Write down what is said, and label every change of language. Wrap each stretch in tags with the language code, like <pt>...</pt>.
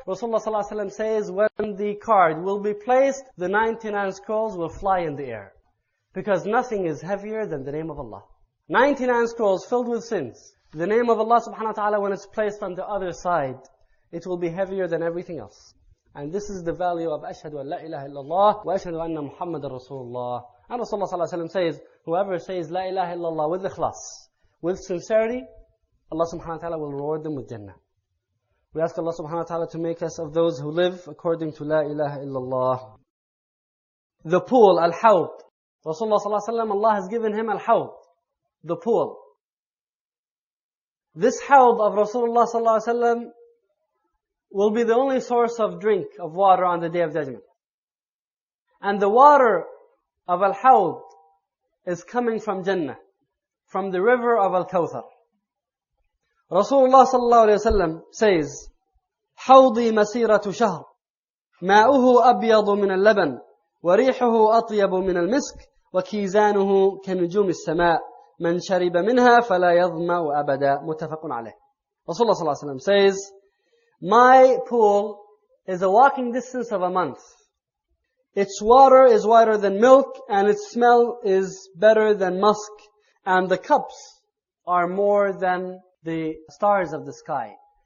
<en>Rasulullah صلى الله عليه وسلم says, when the card will be placed, the 99 scrolls will fly in the air. Because nothing is heavier than the name of Allah. 99 scrolls filled with sins. The name of Allah subhanahu wa ta'ala, when it's placed on the other side, it will be heavier than everything else. And this is the value of</en> <ar>أشهدُ أن لا إله إلا الله وأشهدُ أن محمد رسول الله.</ar> <en>And Rasulullah صلى الله عليه وسلم says, whoever says</en> <ar>لا إله إلا الله</ar> <en>with إخلاص, with sincerity, Allah subhanahu wa ta'ala will reward them with Jannah. We ask Allah subhanahu wa ta'ala to make us of those who live according to</en> <ar>لا إله إلا الله.</ar> <en>The pool, Al-Hawd. Rasulullah صلى الله عليه وسلم, Allah has given him Al-Hawd, the pool. This Hawd of Rasulullah صلى الله عليه وسلم will be the only source of drink of water on the Day of Judgment. And the water of Al-Hawd is coming from Jannah, from the river of Al-Kawthar.</en> <ar>Rasulullah صلى الله عليه وسلم says, حوضي مسيرة شهر ماءه أبيض من اللبن وريحه أطيب من المسك وكيزانه كنجوم السماء من شرب منها فلا يظمأ أبدا متفق عليه.</ar> <en>Rasulullah صلى الله عليه وسلم says, my pool is a walking distance of a month. Its water is whiter than milk, and its smell is better than musk, and the cups are more than the stars of the sky.</en>